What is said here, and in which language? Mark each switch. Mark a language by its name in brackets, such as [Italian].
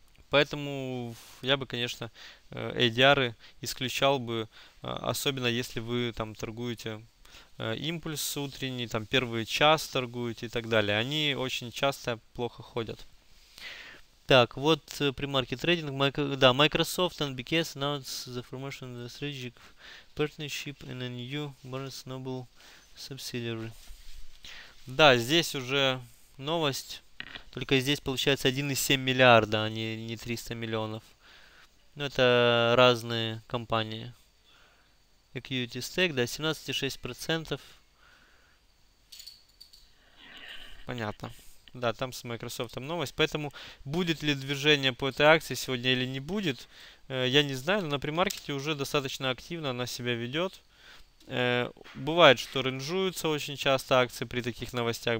[Russian] Поэтому я бы, конечно, ADR исключал бы, особенно если вы там торгуете импульс утренний, там первый час торгуете и так далее. Они очень часто плохо ходят. Так, вот pre-market trading. [English] Да, Microsoft and BKS announced the formation of the strategic partnership in a new Barnes & Noble subsidiary. [Russian] Да, здесь уже новость. Только здесь получается 1,7 миллиарда, а не 300 миллионов. Ну, это разные компании. [English] Equity stake, да, 17,6%. [Russian] Понятно. Да, там с Microsoft новость. Поэтому будет ли движение по этой акции сегодня или не будет, я не знаю. Но на премаркете уже достаточно активно она себя ведет. Бывает, что ренжуются очень часто акции при таких новостях.